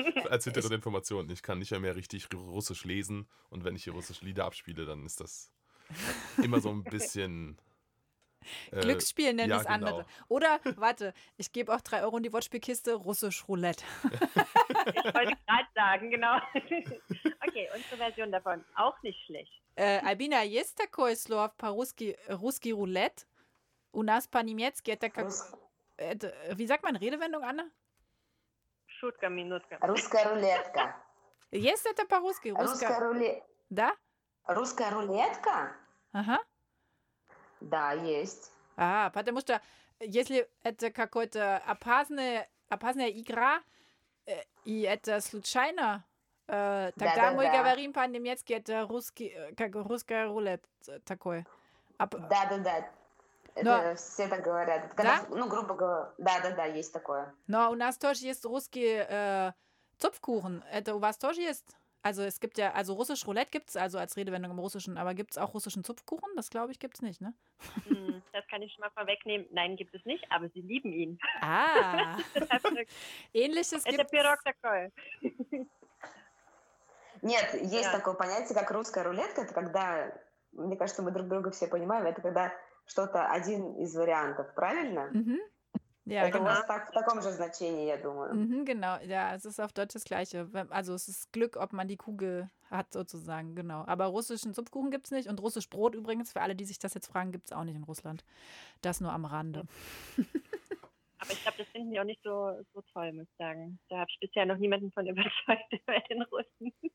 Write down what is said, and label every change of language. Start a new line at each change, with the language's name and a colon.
German: Als Hintergrundinformation, ich kann nicht mehr richtig Russisch lesen und wenn ich hier russische Lieder abspiele, dann ist das immer so ein bisschen... Glücksspiel nennen ja, das genau. andere. Oder, warte, ich gebe auch 3 € in die Wortspielkiste, Russisch Roulette. Ich wollte gerade sagen, genau. Okay, unsere Version davon, auch nicht schlecht.
Russian: Albina, есть такое слово по-русски русский рулет? У нас по-немецки это как...
German: Wie sagt man Redewendung, Anna?
Russian: Шутка, минутка. Русская рулетка. Есть это по-русски? Русская рулетка. Да? Русская рулетка? Ага. Да, есть. А, потому что если это какая-то опасная игра, и это случайно, тогда да, да, мы да. говорим по-немецки, это русский, как русская рулет такой. Да-да-да, это все так говорят. Когда, да? Ну, грубо говоря, да-да-да, есть такое. Но у нас тоже есть русский цупфкухен, это у вас тоже есть?
German: Also es gibt ja, also russisch Roulette gibt es also als Redewendung im Russischen, aber gibt es auch russischen Zupfkuchen? Das glaube ich, gibt es nicht, ne? Das kann ich schon mal vorwegnehmen. Nein, gibt es nicht, aber sie lieben ihn. Ah. Ähnliches gibt es.
Russian: Это пирог такой. Нет, есть такое понятие, как русская рулетка, это когда, мне кажется, мы друг друга все понимаем, это когда что-то один из вариантов, правильно?
German: Ja,
Russian: это
German: genau.
Russian: у нас так, в таком же значении, я думаю.
German: Mm-hmm, genau, ja, es ist auf Deutsch das Gleiche. Also es ist Glück, ob man die Kugel hat sozusagen, genau. Aber russischen Zupfkuchen gibt es nicht und russisch Brot übrigens, für alle, die sich das jetzt fragen, gibt es auch nicht in Russland. Das nur am Rande. Aber ich glaube, das finden die auch nicht so, so toll, muss ich sagen. Da habe ich bisher noch niemanden von überzeugt bei den Russen.